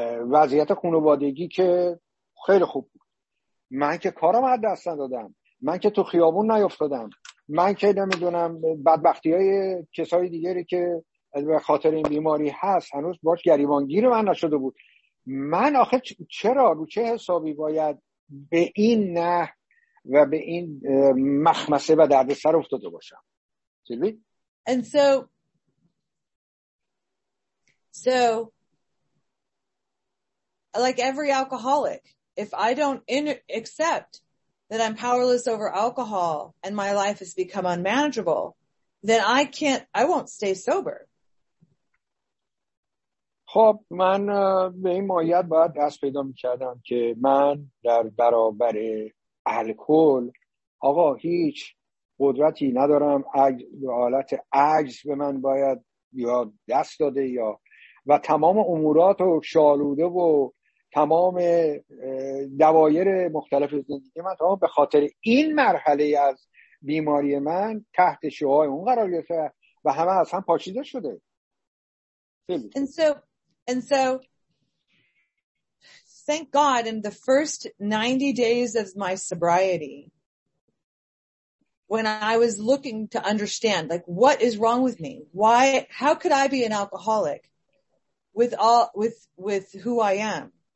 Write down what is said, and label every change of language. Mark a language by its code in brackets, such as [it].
[fa] وضعیت خانوادگی که خیلی خوب بود، من که کارم از دست ندادم، من که تو خیابون نیفتادم، من که نمیدونم بدبختی های کسای دیگری که به خاطر این بیماری هست هنوز باش گریبانگیر من نشده بود، من آخه چرا رو چه حسابی باید به این نه و به این مخمصه و درد سر افتاده باشم؟ سیلوی؟ [en] And so like every alcoholic, if I don't accept that I'm powerless over alcohol and my life has become unmanageable, then I won't stay sober. [fa] خب من به این ماهیت باید دست پیدا می‌کردم که من در برابر الکل آقا هیچ قدرتی ندارم، حالت عجز به من باید یا دست داده یا و تمام امورات و شالوده و تمام دوایر مختلف زندگی من تمام به خاطر این مرحله از بیماری من تحت شعاع اون قرار گرفته و همه از هم پاشیده شده. [en] And so thank God in the first 90 days of my sobriety, when I was looking to understand, like, what is wrong with me? Why, how could I be an alcoholic with who I am?